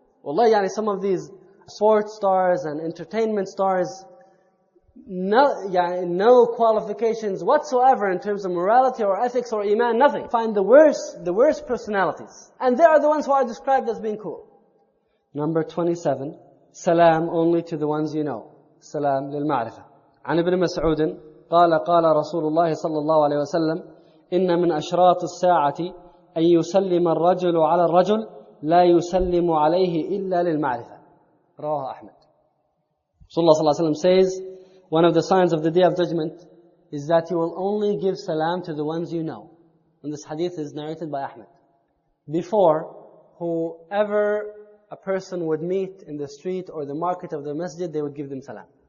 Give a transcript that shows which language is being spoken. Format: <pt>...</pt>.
<en>Wallahi, yani some of these sports stars and entertainment stars, no qualifications whatsoever in terms of morality or ethics or iman, nothing. Find the worst personalities. And they are the ones who are described as being cool. Number 27, salam only to the ones you know.</en> <ar>Salam lil ma'rifah. An ibn Mas'ud, qala Rasulullah sallallahu alayhi wa sallam, إن من أشراط الساعة أن يسلم الرجل على الرجل لا يسلم عليه إلا للمعرفة. رواه أحمد.</ar> <en>Rasulullah صلى الله عليه وسلم says, one of the signs of the Day of Judgment is that you will only give salam to the ones you know. And this hadith is narrated by Ahmed. Before, whoever a person would meet in the street or the market of the masjid, they would give them salam.</en>